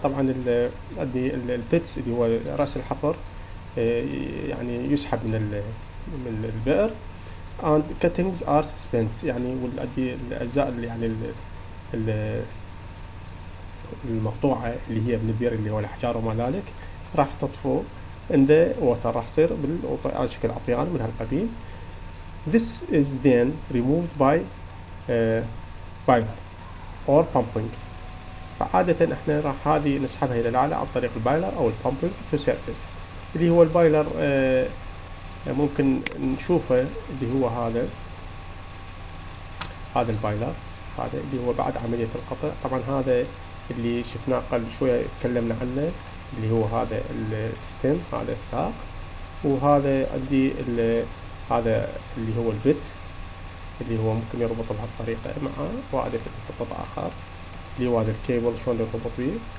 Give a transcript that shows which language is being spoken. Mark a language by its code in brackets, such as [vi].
[ar] طبعا البيتس اللي هو راس الحفر يعني يسحب من البئر، [en] and cuttings are suspended [ar] يعني والأدي الأجزاء اللي يعني المقطوعة اللي هي من البير اللي هو الأحجار وما ذلك راح تطفو [en] in the water، [ar] راح تصير على شكل عطيان من هالقبيل. [en] This is then removed by boiler or pumping. [ar] فعادة احنا راح هذه نسحبها إلى الأعلى عن طريق البايلر أو البامبينج [en] to surface. [ar] اللي هو البايلر ممكن نشوفه اللي هو هذا البايلر، هذا اللي هو بعد عملية القطع. طبعا هذا اللي شفناه قبل شوية تكلمنا عنه اللي هو هذا الستيم، هذا الساق، وهذا عندي هذا اللي هو البت اللي هو ممكن يربط بهالطريقة معه، وهذا قطع آخر اللي هو هذا الكيبل شلون يربط به.